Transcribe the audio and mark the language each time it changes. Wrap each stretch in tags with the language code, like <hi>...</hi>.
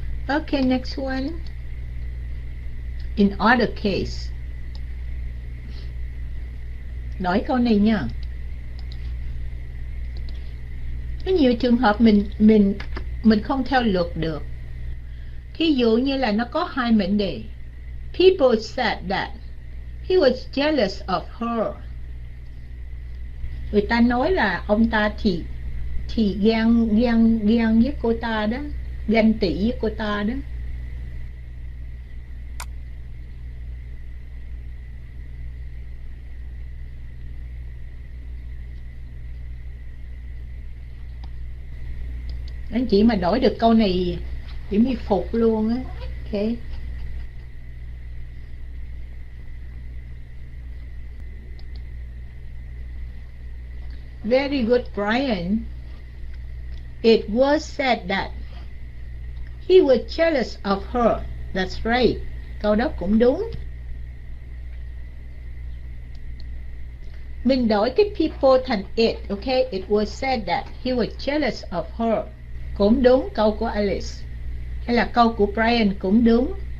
<en>Okay, next one. In other case.</en> <vi>Nói câu này nha. Có nhiều trường hợp mình không theo luật được. Thí dụ như là nó có hai mệnh đề.</vi> <en>People said that he was jealous of her.</en> <vi>Người ta nói là ông ta thì ghen với cô ta đó, ghen tị với cô ta đó. Anh chị mà đổi được câu này chị mới phục luôn á.</vi> <en>Okay. Very good, Brian. It was said that he was jealous of her. That's right.</en> <vi>Câu đó cũng đúng. Mình đổi cái people thành it.</vi> <en>Okay. It was said that he was jealous of her.</en> <vi>Cũng đúng, câu của Alice. Hay là câu của Brian cũng đúng.</vi>